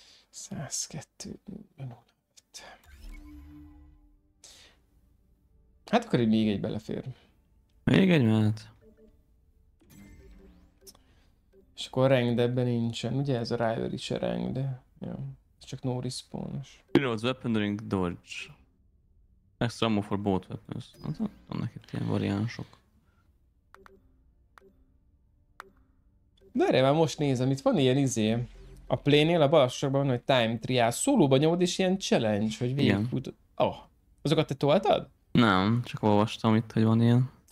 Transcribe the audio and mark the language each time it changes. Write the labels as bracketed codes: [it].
[hu] 102. Hát akkor így még egy belefér. Még egy mehet. És akkor rang, de ebben nincsen. Ugye ez a Rival is a rang, de... Jó. Ez csak no respawn-os. [en] Reload weapon during dodge. Extra ammo for both weapons. [hu] Vannak itt ilyen variánsok. De erre már most nézem, itt van ilyen izé. A play-nél a balassakban van, hogy time trial. Szólóban nyomod és ilyen challenge, hogy végigfut. Oh. Azokat te toltad? Nem, csak olvastam itt, hogy van ilyen.